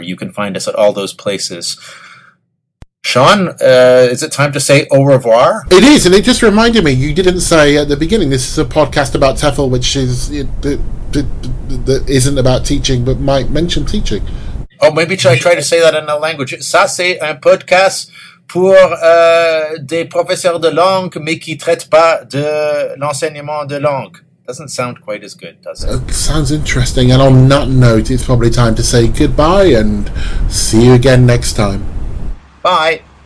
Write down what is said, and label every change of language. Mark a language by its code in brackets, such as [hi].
[en] You can find us at all those places. Sean, is it time to say [fr] au revoir? [en] It is, and it just reminded me, you didn't say at the beginning, this is a podcast about TEFL, which is that isn't about teaching, but might mention teaching. Oh, maybe should I try to say that in a language? [fr] Ça, c'est un podcast pour des professeurs de langue, mais qui traite pas de l'enseignement de langue. [en] Doesn't sound quite as good, does it? Sounds interesting. And on that note, it's probably time to say goodbye and see you again next time. Bye.